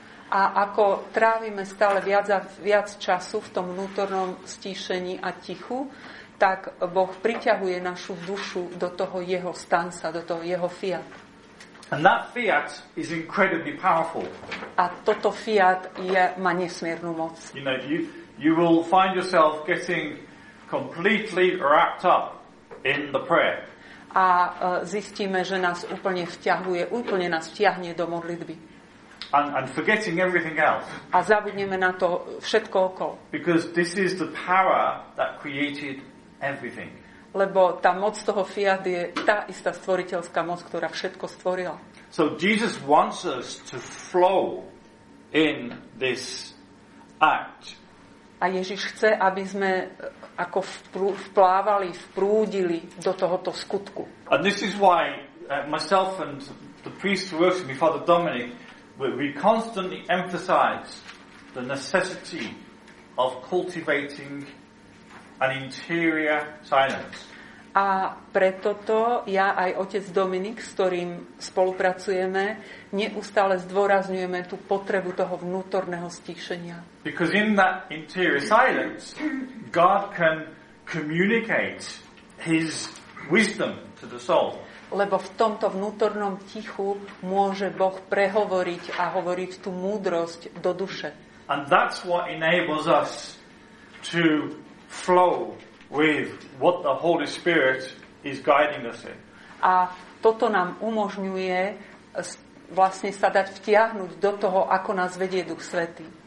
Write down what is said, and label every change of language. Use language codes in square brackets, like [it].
[sk] A ako trávime stále viac a viac času v tom vnútornom stíšení a tichu, tak Boh priťahuje našu dušu do toho jeho stanca, do toho jeho fiat. [en] And that fiat is incredibly powerful. [sk] A toto fiat je, má nesmiernu moc. [en] You know, you will find yourself getting completely wrapped up in the prayer. [sk] A zistíme, že nás úplne vťahuje, úplne nás vťahne do modlitby. [en] And forgetting everything else. [sk] A zabudneme na to všetko okolo. [en] Because this is the power that created everything. [sk] Lebo tá moc toho fiat je tá istá stvoriteľská moc, ktorá všetko stvorila. [en] So Jesus wants us to flow in this act. [sk] A Ježiš chce, aby sme ako vplávali, vprúdili do tohoto skutku. [en] And this is why myself and the priest who works with me, Father Dominic, we constantly emphasize the necessity of cultivating an interior silence. [sk] A preto to ja aj otec Dominik, s ktorým spolupracujeme, neustále zdôrazňujeme tú potrebu toho vnútorného stíšenia. [en] Because in that interior silence God can communicate his wisdom to the soul. [sk] Lebo v tomto vnútornom tichu môže Boh prehovoriť a hovoriť tú múdrosť do duše. [en] And that's what enables us to flow with what the Holy Spirit is guiding us in. [sk] A toto nám umožňuje vlastne sa dať vtiahnuť do toho, ako nás vedie Duch Svätý.